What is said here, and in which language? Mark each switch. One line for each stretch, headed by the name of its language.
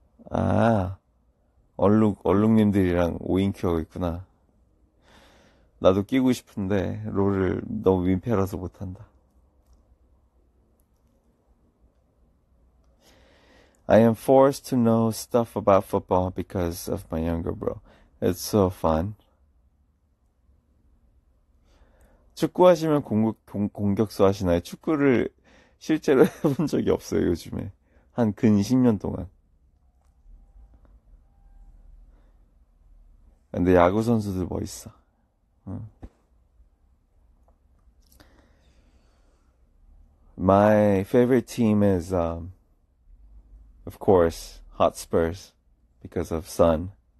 Korean: 아, 얼룩님들이랑 오인큐 하고 있구나. 나도 끼고 싶은데 롤을 너무 민폐라서 못한다.
English: I am forced to know stuff about football because of my younger bro. It's so fun.
Korean: 축구하시면 공격수 하시나요? 축구를 실제로 해본 적이 없어요, 요즘에. 한 근 10년 동안. 근데 야구 선수들 멋있어. 응.
English: My favorite team is, of course, Hotspurs because of Son.